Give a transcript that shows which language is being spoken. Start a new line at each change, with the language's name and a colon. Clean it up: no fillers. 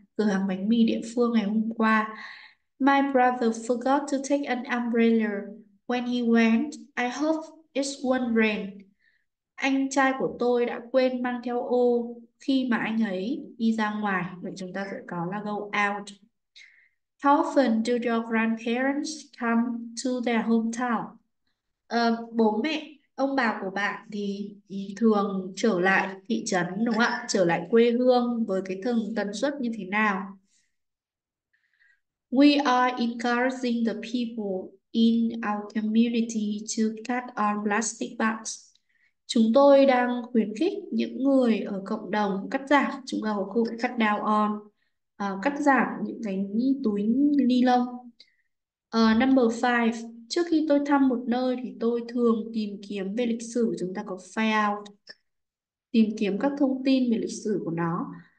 Vietnamese: Cửa hàng bánh mì địa phương ngày hôm qua.
English: My brother forgot to take an umbrella when he went, I hope it won't rain.
Vietnamese: Anh trai của tôi đã quên mang theo ô khi mà anh ấy đi ra ngoài. Vậy chúng ta sẽ có là go out.
English: How often do your grandparents come to their hometown?
Vietnamese: Bố mẹ, ông bà của bạn thì thường trở lại thị trấn đúng không ạ? Trở lại quê hương với cái thường tần suất như thế nào?
English: We are encouraging the people in our community to cut our plastic bags.
Vietnamese: Chúng tôi đang khuyến khích những người ở cộng đồng cắt giảm, chúng ta có cụ cắt down on, cắt giảm những cái túi ni lông.
English: Number 5,
Vietnamese: trước khi tôi thăm một nơi thì tôi thường tìm kiếm về lịch sử, chúng ta có find out, tìm kiếm các thông tin về lịch sử của nó.